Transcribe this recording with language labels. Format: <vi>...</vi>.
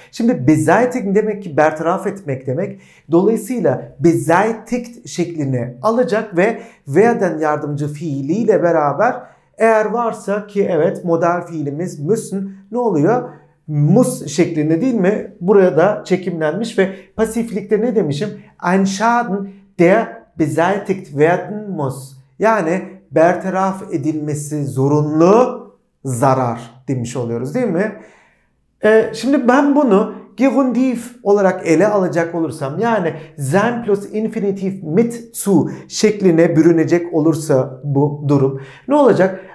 <tr>Şimdi beseitigen demek ki bertaraf etmek demek. Dolayısıyla beseitigt şeklini alacak ve werden yardımcı fiiliyle beraber eğer varsa ki evet modal fiilimiz müssen ne oluyor? Muss şeklinde değil mi? Buraya da çekimlenmiş ve pasiflikte ne demişim?</tr> <de>Ein Schaden, der beseitigt werden muss.</de> <tr>Yani bertaraf edilmesi zorunlu zarar demiş oluyoruz değil mi? Şimdi ben bunu gerundiv olarak ele alacak olursam yani sein plus infinitiv mit zu şekline bürünecek olursa bu durum ne olacak?</tr>